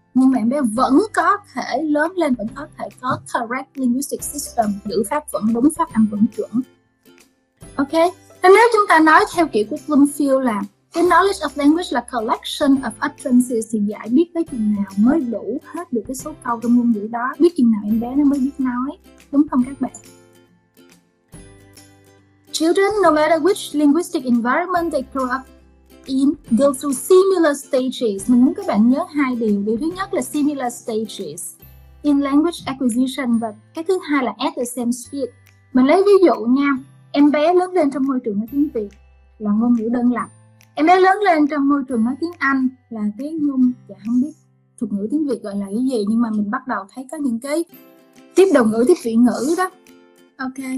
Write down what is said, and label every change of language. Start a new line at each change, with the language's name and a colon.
Vietnamese: Nhưng mà em bé vẫn có thể lớn lên, vẫn có thể có
English: correct linguistic system,
Vietnamese: ngữ pháp vẫn đúng, phát âm vẫn chuẩn. Ok, thế nếu chúng ta nói theo kiểu của Bloomfield là cái
English: knowledge of language
Vietnamese: là
English: collection of utterances,
Vietnamese: thì giải biết tới chừng nào mới đủ hết được cái số câu trong ngôn ngữ đó, biết chừng nào em bé nó mới biết nói, đúng không các bạn?
English: Children, no matter which linguistic environment they grow up in, go through similar stages.
Vietnamese: Mình muốn các bạn nhớ hai điều. Điều thứ nhất là
English: similar stages in language acquisition,
Vietnamese: và cái thứ hai là
English: at the same speed.
Vietnamese: Mình lấy ví dụ nha, em bé lớn lên trong môi trường nói tiếng Việt là ngôn ngữ đơn lập. Em bé lớn lên trong môi trường nói tiếng Anh là tiếng ngôn, dạ không biết thuật ngữ tiếng Việt gọi là cái gì, nhưng mà mình bắt đầu thấy có những cái tiếp đầu ngữ, tiếp vị ngữ đó. Ok.